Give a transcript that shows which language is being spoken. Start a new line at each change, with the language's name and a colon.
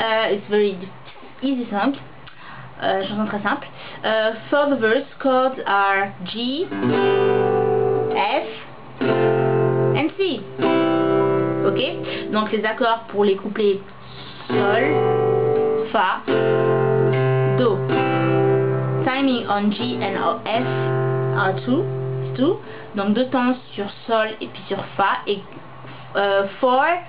English: It's very easy song,
French: chanson très simple.
English: For the verse, chords are G, F, and C.
French: Ok, donc les accords pour les couplets Sol, Fa, Do.
English: Timing on G and on F are two.
French: Donc deux temps sur Sol et puis sur Fa, et four.